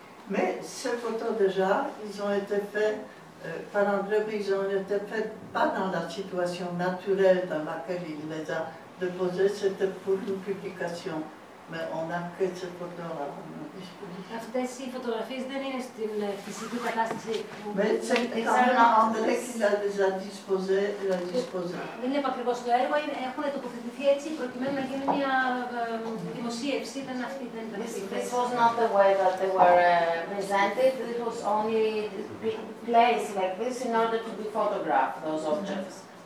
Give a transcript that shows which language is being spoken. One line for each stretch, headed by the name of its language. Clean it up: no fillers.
French: Mais ces photos déjà, ils ont été faits par André, ils ont été faits pas dans la situation naturelle dans laquelle il les a déposés, c'était pour une publication. Mais on a que ces photos-là.
Greek: Αυτές οι φωτογραφίες δεν είναι στην φυσική κατάσταση.
French: Mais c'est quand même André qui les a disposés.
Greek: Δεν είναι ακριβώς το έργο, έχουν τοποθετηθεί έτσι προκειμένου να γίνει μια δημοσίευση. Δεν αυτή ήταν.
English: This was not the way that they were presented. It was only placed like this in order to be photographed, those objects.